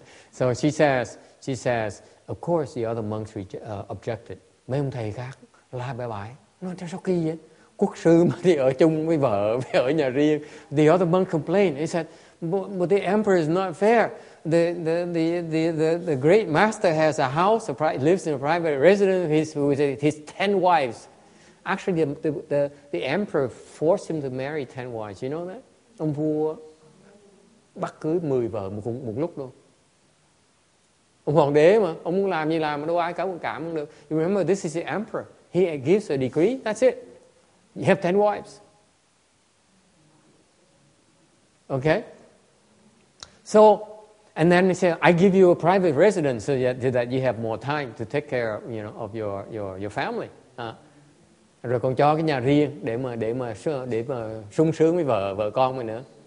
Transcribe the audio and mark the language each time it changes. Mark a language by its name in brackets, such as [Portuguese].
[English] So she says, of course the other monks objected. [Vietnamese] Mấy ông thầy khác la bé bái, nói cho sao kỳ vậy? Quốc sư mà đi ở chung với vợ, phải ở nhà riêng. [English] The other monk complained. He said, but the emperor is not fair. The great master has a house, lives in a private residence with his 10 wives. Actually, the emperor forced him to marry 10 wives. You know that? [Vietnamese] Ông vua bắt cưới 10 vợ một lúc luôn. Ông hoàng đế mà. Ông muốn làm gì làm mà đâu ai cả cảm được. [English] You remember, this is the emperor. He gives a decree. That's it. You have 10 wives. Okay? So, And then he said, I give you a private residence so that you have more time to take care of, you know, of your family. [Vietnamese] Rồi còn cho cái nhà riêng để mà sung sướng với vợ con mình nữa.